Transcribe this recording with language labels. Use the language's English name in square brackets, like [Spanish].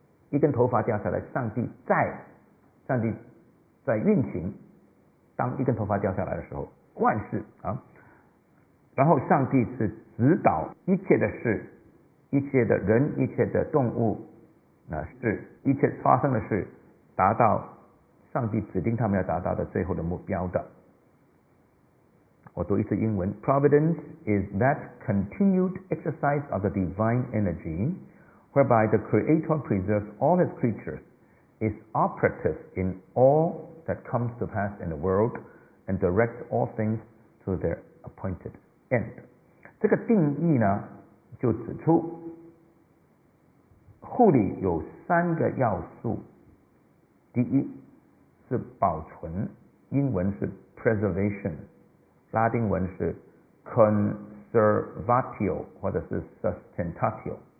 [Chinese] 一根头发掉下来上帝在，上帝在运行，当一根头发掉下来的时候万事啊，然后上帝是指导一切的事，一切的人，一切的动物，那是一切发生的事达到上帝指定他们要达到的最后的目标的。我读一次英文， [English] Providence is that continued exercise of the divine energy whereby the creator preserves all his creatures, is operative in all that comes to pass in the world and directs all things to their appointed end. [Chinese] 这个定义呢就指出护理有三个要素。第一是保存，英文是 preservation， 拉丁文是 conservatio 或者是 sustentatio。